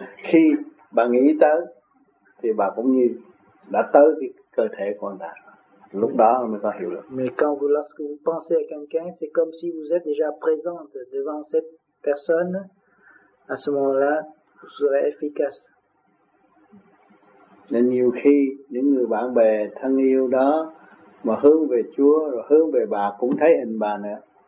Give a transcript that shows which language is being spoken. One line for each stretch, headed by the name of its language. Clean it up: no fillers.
Vietnamese: Khi bà nghĩ tới, thì bà cũng như... đã tới cái cơ thể của anh ta. Lúc đó mới có hiểu được.
French: Mais quand vous lorsque vous pensez à quelqu'un, c'est comme si vous êtes déjà présente devant cette personne. À ce moment-là, vous serez efficace.
Vietnamese: Nên nhiều khi những người bạn bè thân yêu đó mà hướng về Chúa rồi hướng về bà cũng thấy hình bà nữa.